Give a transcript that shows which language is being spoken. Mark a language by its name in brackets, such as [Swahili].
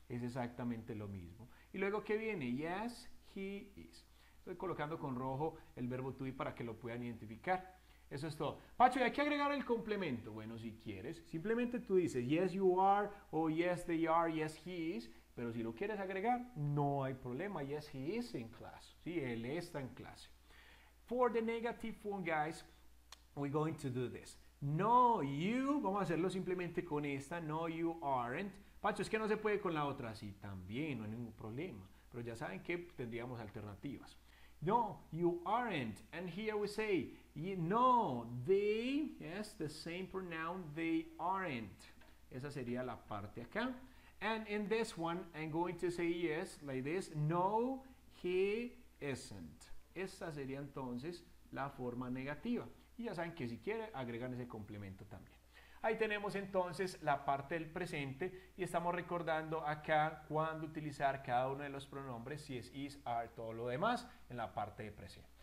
[Spanish] Es exactamente lo mismo. Y luego, ¿qué viene? [English] Yes, he is. [Spanish] Estoy colocando con rojo el verbo to be para que lo puedan identificar. Eso es todo. Pacho, ¿y hay que agregar el complemento? Bueno, si quieres, simplemente tú dices [English] yes, you are, [Spanish] o [English] yes, they are, yes, he is. [Spanish] Pero si lo quieres agregar, no hay problema. [English] Yes, he is in class. [Spanish] Sí, él está en clase. [English] For the negative form, guys, we're going to do this. [Spanish] No, you, vamos a hacerlo simplemente con esta. [English] No, you aren't. [Spanish] Pacho, es que no se puede con la otra. Sí, también, no hay ningún problema. Pero ya saben que tendríamos alternativas. [English] No, you aren't. And here we say, no, they, yes, the same pronoun, they aren't. [Spanish] Esa sería la parte acá. [English] And in this one, I'm going to say yes, like this. No, he isn't. [Spanish] Esa sería entonces la forma negativa. Y ya saben que si quieren, agregan ese complemento también. Ahí tenemos entonces la parte del presente. Y estamos recordando acá cuándo utilizar cada uno de los pronombres, si es is, are, todo lo demás, en la parte de presente.